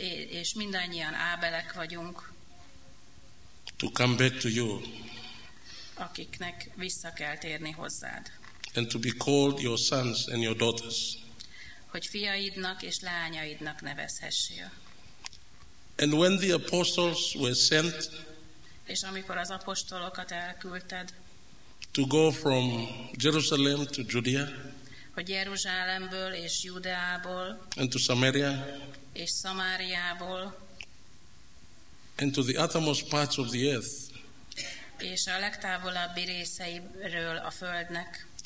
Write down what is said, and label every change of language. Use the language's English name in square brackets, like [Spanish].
[Hungarian] És mindannyian Ábelek vagyunk. [English] To come back to you. [Hungarian] Akiknek vissza kell térni hozzád. [English] And to be called your sons and your daughters. [Hungarian] Hogy fiaidnak és lányaidnak nevezhessél. [English] And when the apostles were sent, [Hungarian] és amikor az apostolokat elküldted, [English] to go from Jerusalem to Judea, [Hungarian] hogy Jeruzsálemből és Judeából, [English] and to Samaria, [Hungarian] és Szamáriából, [English] and to the uttermost parts of the earth, [Hungarian] és a legtávolabbi részeiről a földnek,